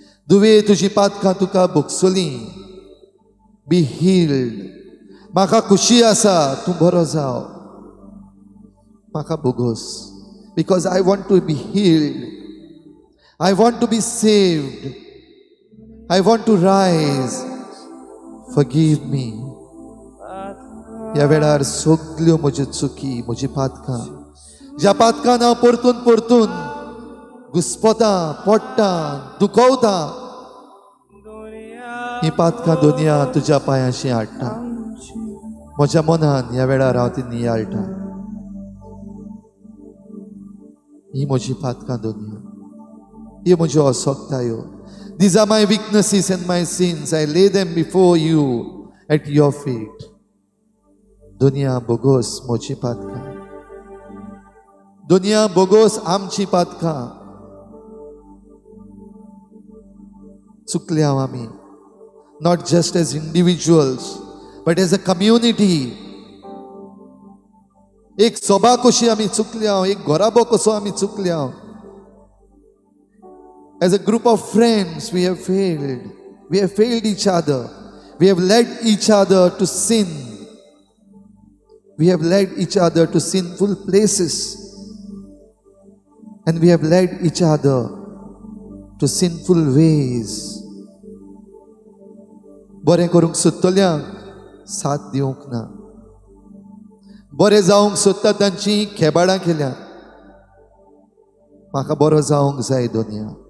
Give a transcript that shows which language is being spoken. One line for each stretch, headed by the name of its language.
Goan Konkani: दुवे तुजी पातका तुका भोगसली.
English: Be healed.
Goan Konkani: म्हाका खुशी आसा तूं बरो जाव. म्हाका भोगोस,
English: Because I want to be healed. I want to be saved. I want to rise. Forgive me.
Goan Konkani: ह्या वेळार सगल्यो म्हज्यो चुकी, म्हजी पातकां, ज्या पातकान हांव परतून परतून घुस्पता, पडटा, दुखवता, ही पातकां दुनिया तुज्या पांयाशी हाडटा. म्हज्या मनान ह्या वेळार हांव ती नियाळटा. ही म्हजी पातकां दुनिया, ही म्हज्यो असक्तायो.
English: These are my weaknesses and my sins. I lay them before you at your feet.
Goan Konkani: दुनिया बोगोस म्हजी पातकां, दुनिया बोगोस आमची पातकां. चुकले हांव आमी,
English: not just as individuals but as a community.
Goan Konkani: ek soba koshi ami chukliao, ek gorabo koso ami chukliao.
English: As a group of friends we have failed. We have failed each other. We have led each other to sin. We have led each other to sinful places, and we have led each other to sinful ways.
Goan Konkani: बरें करूंक सोदतल्यांक साथ दिवंक ना, बरें जावंक सोदता तांची खेबाडां केल्या. म्हाका बरो जावंक जाय दुनिया.